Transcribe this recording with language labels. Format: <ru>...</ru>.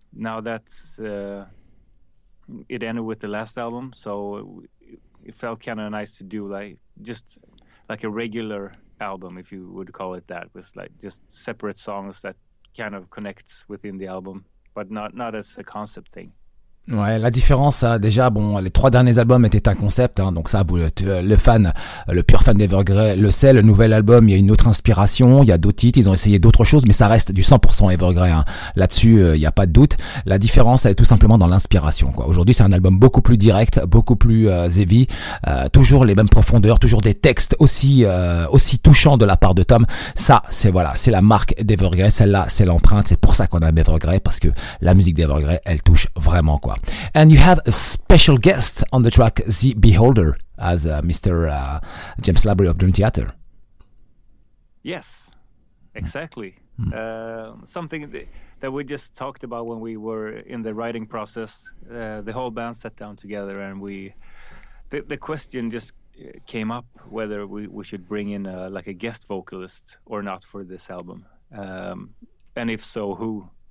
<en>Now that's it ended with the last album, so it felt kind of nice to do just a regular album, if you would call it that, with like just separate songs that kind of connects within the album, but not as a concept thing.</en> <fr>Ouais, la différence, hein, déjà, bon, les trois derniers albums étaient un concept, hein, donc ça, le pur fan d'Evergrey le sait, le nouvel album, il y a une autre inspiration, il y a d'autres titres, ils ont essayé d'autres choses, mais ça reste du 100% Evergrey, hein. Là-dessus, il n'y a pas de doute. La différence, elle est tout simplement dans l'inspiration, quoi. Aujourd'hui, c'est un album beaucoup plus direct, beaucoup plus heavy, toujours les mêmes profondeurs, toujours des textes aussi touchants de la part de Tom. Ça, c'est la marque d'Evergrey, celle-là, c'est l'empreinte, c'est pour ça qu'on aime Evergrey, parce que la musique d'Evergrey, elle touche vraiment, quoi.</fr> <en>And you have a special guest on the track The Beholder as Mr. James Labrie of Dream Theater. Yes, exactly. Mm. Something that we just talked about when we were in the writing process. The whole band sat down together and the question just came up whether we should bring in a guest vocalist or not for this album. and if so, who?</en>